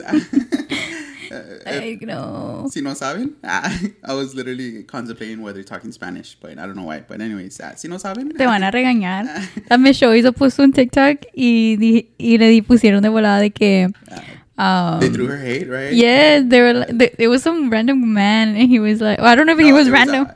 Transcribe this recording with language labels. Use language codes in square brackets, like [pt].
[es] no saben, [en] I was literally contemplating whether you're talking Spanish, but I don't know why. But anyways, [es] si no saben. Te van a regañar. La Micho hizo puso un TikTok y le pusieron de volada de que... [en] they threw her hate, right? Yeah, they were like, it was some random man, and he was like, well, I don't know if he was random.